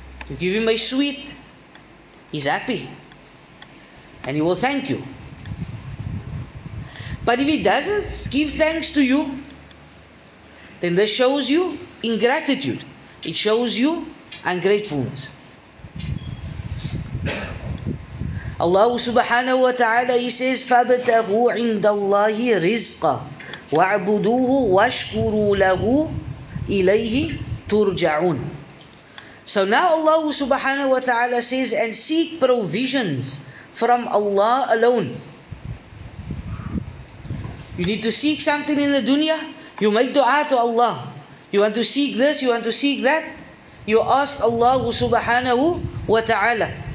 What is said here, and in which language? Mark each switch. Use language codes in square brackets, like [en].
[en] You give him a sweet, he's happy. And he will thank you. But if he doesn't give thanks to you, then this shows you ingratitude. It shows you ungratefulness. Allah subhanahu wa ta'ala, he says, [ar] فَابْتَغُوا عِنْدَ اللَّهِ رِزْقًا وَاعْبُدُوهُ وَاشْكُرُوا لَهُ إِلَيْهِ تُرْجَعُونَ. [en] So now Allah subhanahu wa ta'ala says, and seek provisions from Allah alone. You need to seek something in the dunya. You make dua to Allah. You want to seek this, you want to seek that. You ask Allah subhanahu wa ta'ala.